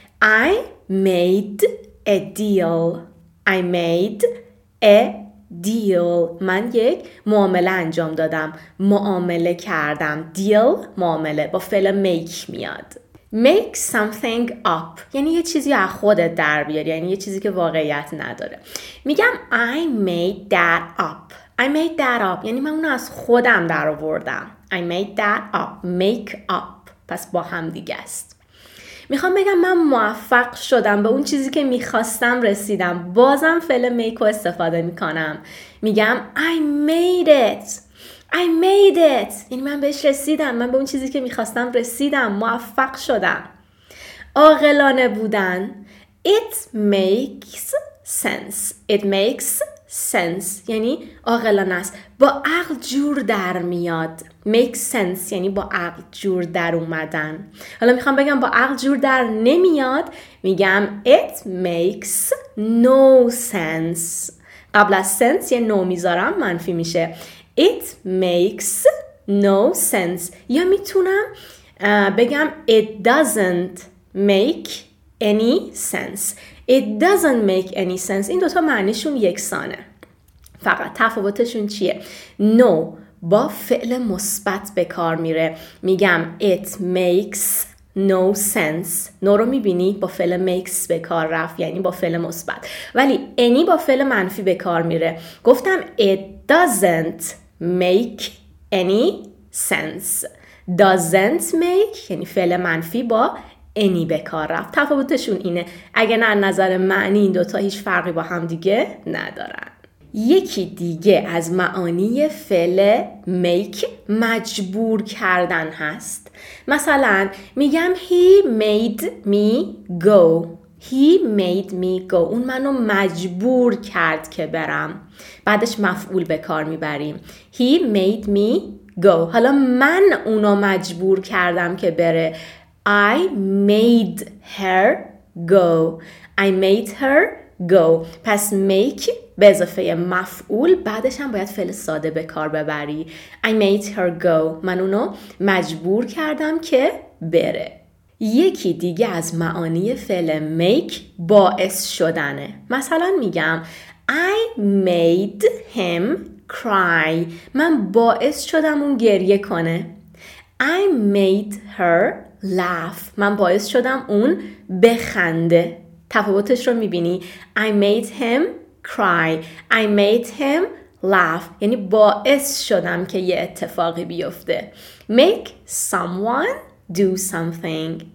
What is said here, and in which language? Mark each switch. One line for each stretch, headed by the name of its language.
English: I made a deal. I made a deal.
Persian: من یک معامله انجام دادم، معامله کردم. deal معامله با فعل make میاد. make something up یعنی یه چیزی از خودت در بیاری، یعنی یه چیزی که واقعیت نداره.
English: میگم I made that up. I made that up
Persian: یعنی من اونو از خودم در آوردم.
English: I made that up.
Persian: make up پس با هم دیگه است. میخوام بگم من موفق شدم، به اون چیزی که میخواستم رسیدم. بازم فعل make رو استفاده میکنم.
English: میگم I made it. I made it.
Persian: یعنی من بهش رسیدم، من به اون چیزی که میخواستم رسیدم، موفق شدم. عاقلانه بودن.
English: It makes sense. It makes sense
Persian: یعنی عاقلانه است، با عقل جور در میاد. make sense یعنی با عقل جور در اومدن. حالا میخوام بگم با عقل جور در نمیاد، میگم
English: it makes no sense.
Persian: قبل از sense یه no میذارم، منفی میشه.
English: it makes no sense.
Persian: یا میتونم بگم
English: it doesn't make any sense. It doesn't make any sense.
Persian: این دوتا معنیشون یکسانه. فقط تفاوتشون چیه؟ No با فعل مثبت به کار میره.
English: میگم It makes no sense.
Persian: No رو میبینی با فعل makes به کار رفت، یعنی با فعل مثبت. ولی any با فعل منفی به کار میره.
English: گفتم It doesn't make any sense.
Persian: Doesn't make یعنی فعل منفی با اینی به کار رفت. تفاوتشون اینه. اگه نه نظر معنی این دوتا هیچ فرقی با هم دیگه ندارن. یکی دیگه از معانی فعل make مجبور کردن هست. مثلا میگم
English: He made me go. He made me go.
Persian: اون منو مجبور کرد که برم. بعدش مفعول به کار میبریم.
English: He made me go.
Persian: حالا من اونو مجبور کردم که بره.
English: I made her go. I made her go.
Persian: پس make به اضافه مفعول، بعدش هم باید فعل ساده به کار ببری.
English: I made her go.
Persian: من اونو مجبور کردم که بره. یکی دیگه از معانی فعل make باعث شدنه. مثلا میگم
English: I made him cry.
Persian: من باعث شدم اون گریه کنه.
English: I made her laugh.
Persian: من باعث شدم اون بخنده. تفاوتش رو میبینی؟
English: I made him cry. I made him laugh.
Persian: یعنی باعث شدم که یه اتفاقی بیفته.
English: Make someone do something.